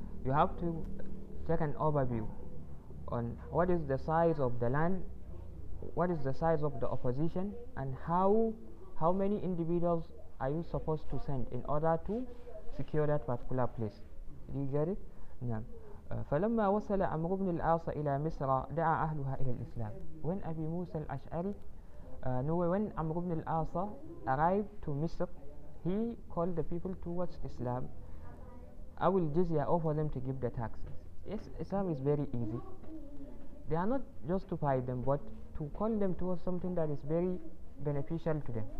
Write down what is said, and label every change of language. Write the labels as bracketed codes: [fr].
[en] You have to take an overview on what is the size of the land, what is the size of the opposition, and how many individuals are you supposed to send in order to secure that particular place. Do you get it? No. [ar] فلما وصل أمر بن العاص إلى مصر دعا أهلها إلى الإسلام. [en] When أبي موسى الأشعري, when Amr ibn al-As arrived to Misr, he called the people towards Islam. I will jizya, offer them to give the taxes. Yes, Islam is very easy. They are not just to fight them, but to call them towards something that is very beneficial to them.